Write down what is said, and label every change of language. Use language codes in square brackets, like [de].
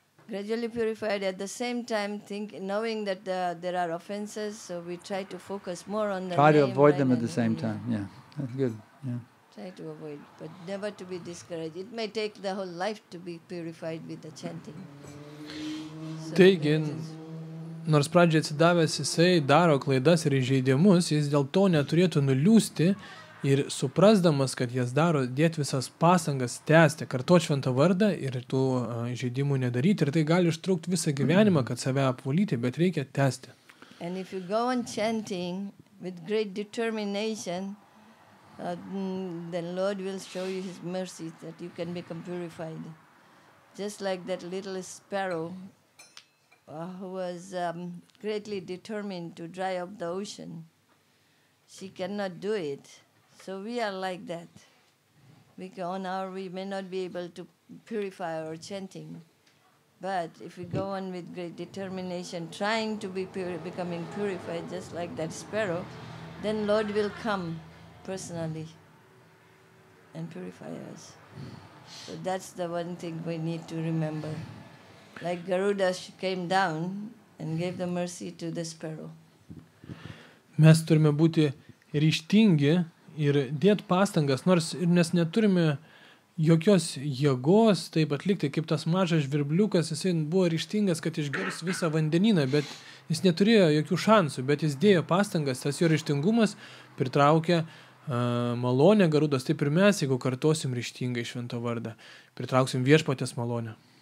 [en] Gradually purified, at the same time knowing that there are offenses, so we try to focus more on the try to avoid them at the same time. Yeah, that's good. Yeah. Try to avoid, but never to be discouraged. It may take the whole life to be purified with the chanting. [lt] Taigi, nors pradžiai atsidavęs jisai daro klaidas ir įžeidimus, jis dėl to neturėtų nuliūsti ir suprasdamas, kad jas daro, dėti visas pastangas tęsti, karto šventą vardą ir tų įžeidimų nedaryti. Ir tai gali ištraukti visą gyvenimą, kad save apvalyti, bet reikia tęsti. [en] And if you go on chanting with great determination, then Lord will show you his mercy that you can become purified. Just like that little sparrow who was greatly determined to dry up the ocean. She cannot do it. So we are like that. We go on our, we may not be able to purify our chanting. But if we go on with great determination, trying to be becoming purified just like that sparrow, then Lord will come personally and purify us. So that's the one thing we need to remember. Like Garuda came down and gave the mercy to the sparrow. [lt] Mes turime būti ryštingi ir dėti pastangas, nors ir mes neturime jokios jėgos taip atlikti, kaip tas mažas žvirbliukas, jis buvo ryštingas, kad išgirs visą vandenyną, bet jis neturėjo jokių šansų, bet jis dėjo pastangas, tas jo ryštingumas pritraukė malonę Garudos, taip ir mes, jeigu kartosim ryštingai švento vardą, pritrauksim viešpatės malonę.